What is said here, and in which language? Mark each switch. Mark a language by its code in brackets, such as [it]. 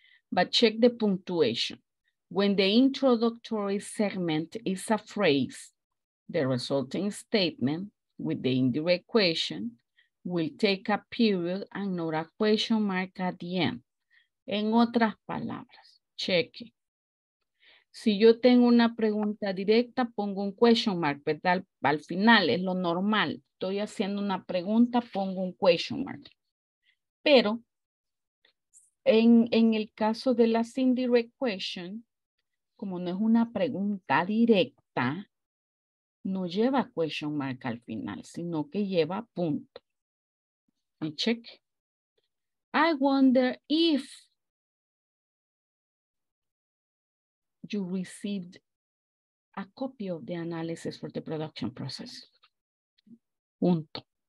[en] But check the punctuation. When the introductory segment is a phrase, the resulting statement with the indirect question will take a period and not a question mark at the end. [es] En otras palabras, [en] check it. [es] Si yo tengo una pregunta directa, pongo un question mark, ¿verdad? Al final es lo normal. Estoy haciendo una pregunta, pongo un question mark. Pero en el caso de las indirect questions, como no es una pregunta directa, no lleva question mark al final, sino que lleva punto. [en] Y check. I wonder if you received a copy of the analysis for the production process. [es] Punto.